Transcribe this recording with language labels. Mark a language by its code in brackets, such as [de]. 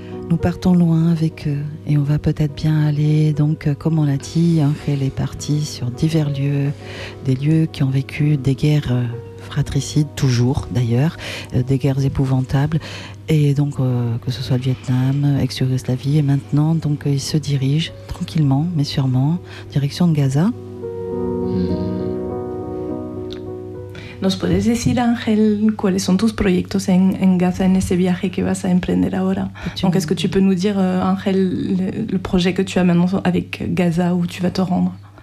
[fr] Nous partons loin avec eux et on va peut-être bien aller, donc comme on l'a dit, Ángel est parti sur divers lieux, des lieux qui ont vécu des guerres fratricides, toujours d'ailleurs, des guerres épouvantables, et donc que ce soit le Vietnam, ex-Yougoslavie, et maintenant donc il se dirige tranquillement mais sûrement direction de Gaza. [es] ¿Nos puedes decir, Ángel, cuáles son tus proyectos en Gaza, en ese viaje que vas a emprender ahora? [fr] Donc, est-ce que tu peux nous dire, Ángel, le projet que tu as maintenant avec Gaza, où tu vas te rendre?